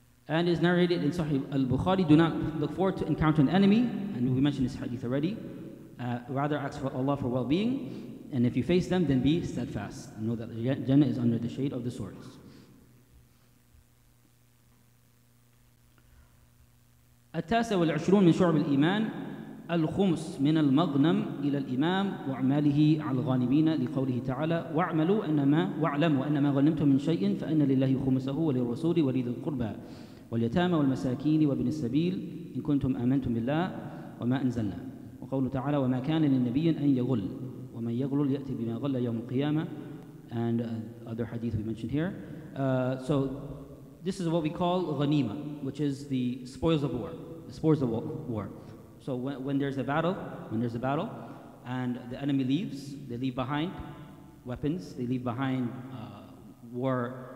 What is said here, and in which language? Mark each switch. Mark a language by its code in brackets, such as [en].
[en] And it's narrated in Sahih al-Bukhari, do not look forward to encounter an enemy, and we mentioned this hadith already, rather ask for Allah for well-being, and if you face them, then be steadfast. Know that Jannah is under the shade of the swords. [ar] التاسع والعشرون من شعب الإيمان الخمس من المغنم إلى الإمام وعماله على الغانمين لقوله تعالى وعملوا أنما وعلموا أنما غنمتم من شيء فإن لله خمسه وللرسول ولذي القربى واليتامى والمساكين وابن السبيل إن كنتم آمنتم بالله وما أنزلنا وقوله تعالى وما كان للنبي أن يغل ومن يغل يأتي بما غل يوم القيامة. [en] And other hadith we mentioned here. So this is what we call غنيمة, which is the spoils of war. The spoils of war. So when there's a battle, and the enemy leaves, they leave behind weapons, they leave behind war.